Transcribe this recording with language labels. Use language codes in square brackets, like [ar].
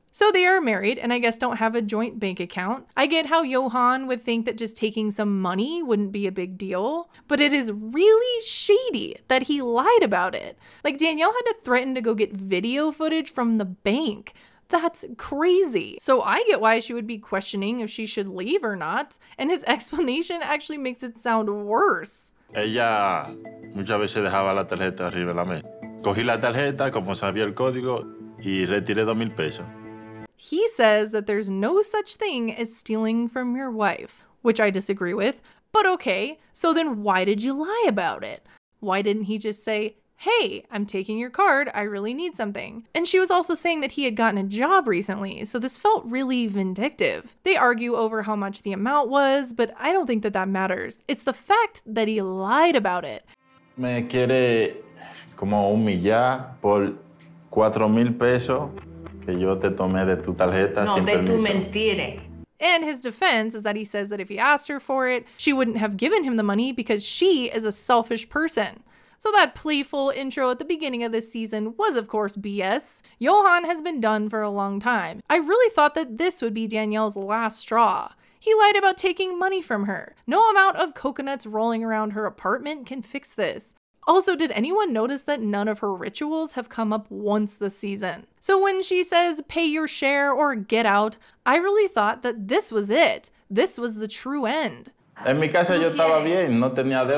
[en] So they are married and I guess don't have a joint bank account. I get how Yohan would think that just taking some money wouldn't be a big deal, but it is really shady that he lied about it. Like Danielle had to threaten to go get video footage from the bank. That's crazy. So I get why she would be questioning if she should leave or not. And his explanation actually makes it sound worse. [es] Ella muchas veces dejaba la tarjeta arriba de la mesa. Cogí la tarjeta, como sabía el código, y retiré 2,000 pesos. [en] He says that there's no such thing as stealing from your wife, which I disagree with, but okay, so then why did you lie about it? Why didn't he just say, hey, I'm taking your card, I really need something. And she was also saying that he had gotten a job recently, so this felt really vindictive. They argue over how much the amount was, but I don't think that that matters. It's the fact that he lied about it. [es] Me quiere como humillar por 4,000 pesos que yo te tomé de tu tarjeta sin permiso. No, de tu mentira. [en] And his defense is that he says that if he asked her for it, she wouldn't have given him the money because she is a selfish person. So that playful intro at the beginning of this season was, of course, BS. Yohan has been done for a long time. I really thought that this would be Danielle's last straw. He lied about taking money from her. No amount of coconuts rolling around her apartment can fix this. Also, did anyone notice that none of her rituals have come up once this season? So when she says, pay your share or get out, I really thought that this was it. This was the true end. [es] En mi casa yo estaba bien, no tenía deuda.